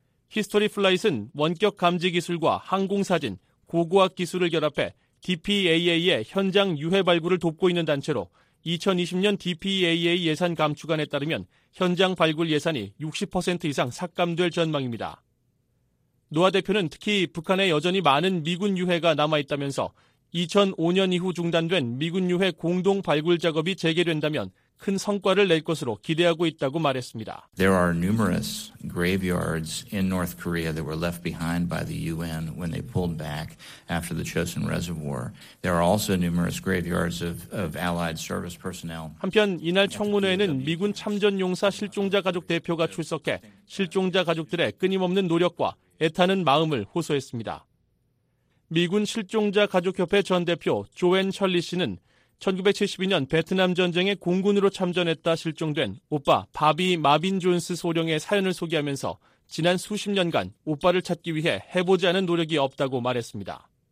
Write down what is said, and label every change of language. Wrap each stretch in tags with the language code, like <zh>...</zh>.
<ko>히스토리 플라잇은 원격 감지 기술과 항공사진, 고고학 기술을 결합해 DPAA의 현장 유해 발굴을 돕고 있는 단체로 2020년 DPAA 예산 감축안에 따르면 현장 발굴 예산이 60% 이상 삭감될 전망입니다. 노아 대표는 특히 북한에 여전히 많은 미군 유해가 남아있다면서 2005년 이후 중단된 미군 유해 공동 발굴 작업이 재개된다면 큰 성과를 낼 것으로 기대하고 있다고 말했습니다.</ko> <en>There are numerous graveyards in North Korea that were left behind by the UN when they pulled back after the Chosun Reservoir. There are also numerous graveyards of allied service personnel.</en> <ko>한편 이날 청문회에는 미군 참전 용사 실종자 가족 대표가 출석해 실종자 가족들의 끊임없는 노력과 애타는 마음을 호소했습니다. 미군 실종자 가족협회 전 대표 조앤 셜리 씨는 1972년 베트남 전쟁에 공군으로 참전했다 실종된 오빠 바비 마빈 존스 소령의 사연을 소개하면서 지난 수십 년간 오빠를 찾기 위해 해보지 않은 노력이 없다고 말했습니다.</ko>